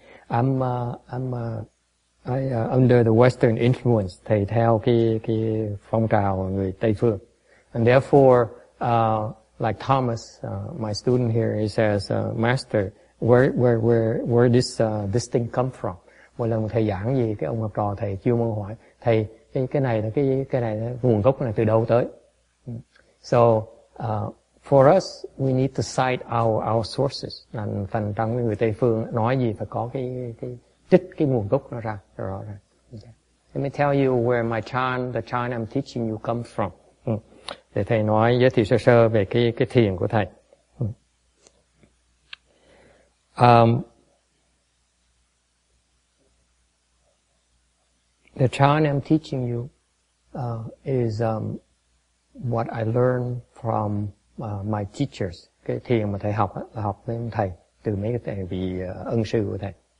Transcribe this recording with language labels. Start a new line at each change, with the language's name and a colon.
English: I under the Western influence,
Vietnamese: thầy theo cái phong trào người Tây phương,
English: and therefore, like Thomas, my student here, he says, Master, where this this thing come from?
Vietnamese: Mỗi lần thầy giảng gì, cái ông học trò thầy chưa muốn hỏi thầy cái này là nguồn gốc này từ đâu tới.
English: So for us, we need to cite our sources.
Vietnamese: Phần trong người Tây phương nói gì phải có cái trích cái nguồn gốc nó ra rõ ràng.
English: Okay. Let me tell you where my chan, the chan I'm teaching you come from.
Vietnamese: Để thầy nói giới thiệu sơ sơ về cái thiền của thầy.
English: The chan I'm teaching you is what I learned from my teachers.
Vietnamese: Cái thiền mà thầy học là học với thầy từ mấy cái thầy vị ân sư của thầy.